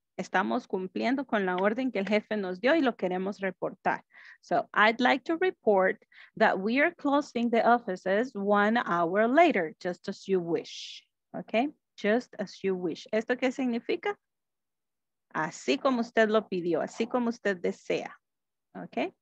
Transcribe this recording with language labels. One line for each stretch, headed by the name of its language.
Spanish: Estamos cumpliendo con la orden que el jefe nos dio y lo queremos reportar.
English: So, I'd like to report that we are closing the offices 1 hour later, just as you wish, okay? Just as you wish.
Spanish: ¿Esto qué significa? Así como usted lo pidió, así como usted desea, okay?